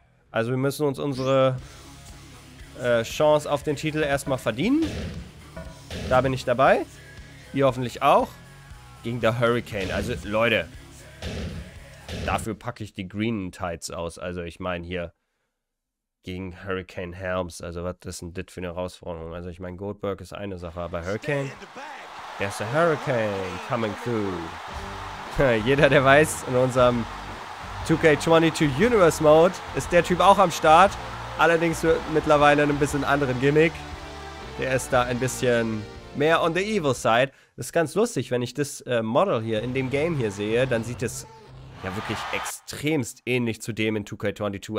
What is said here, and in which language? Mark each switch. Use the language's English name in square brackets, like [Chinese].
[German] Also wir müssen uns unsere Chance auf den Titel erstmal verdienen. Da bin ich dabei. Ihr hoffentlich auch. Gegen der Hurricane. Also Leute, dafür packe ich die Green Tights aus. Also ich meine hier gegen Hurricane Helms. Also was ist denn das für eine Herausforderung? Also ich meine, Goldberg ist eine Sache, aber Hurricane? [English] There's a Hurricane coming through. [German] Jeder, der weiß, in unserem 2K22 Universe Mode ist der Typ auch am Start. Allerdings mittlerweile ein bisschen anderen Gimmick. Der ist da ein bisschen mehr [English] on the evil side. [German] Das ist ganz lustig, wenn ich das Model hier in dem Game hier sehe, dann sieht es ja wirklich extremst ähnlich zu dem in 2K22.